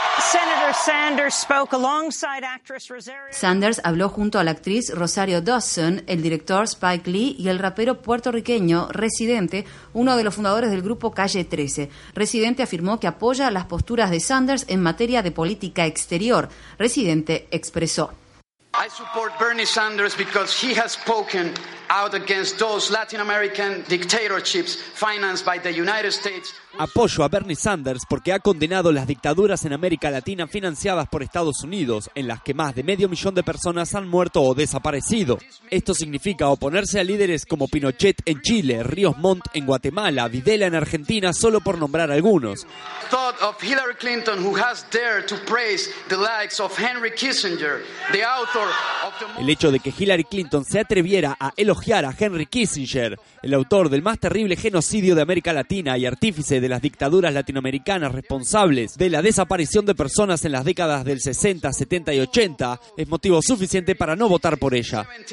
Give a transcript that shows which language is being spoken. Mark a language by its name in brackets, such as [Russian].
[English] Senator Sanders spoke alongside actress Rosario. [Spanish] Sanders habló junto a la actriz Rosario Dawson, el director Spike Lee y el rapero puertorriqueño Residente, uno de los fundadores del grupo Calle 13. Residente afirmó que apoya las posturas de Sanders en materia de política exterior. Residente expresó: [English] "I support Bernie Sanders because he has spoken out against those Latin American dictatorships financed by the United States. [Spanish] Apoyo a Bernie Sanders porque ha condenado las dictaduras en América Latina financiadas por Estados Unidos, en las que más de 500,000 de personas han muerto o desaparecido. Esto significa oponerse a líderes como Pinochet en Chile, Ríos Montt en Guatemala, Videla en Argentina, solo por nombrar algunos. [English] Thought of Hillary Clinton, who has dared to praise the likes of Henry Kissinger, the author of the..." [Spanish] El hecho de que Hillary Clinton se atreviera a elogiar a Henry Kissinger, el autor del más terrible genocidio de América Latina y artífice de las dictaduras latinoamericanas responsables de la desaparición de personas en las décadas del 60, 70 y 80, es motivo suficiente para no votar por ella.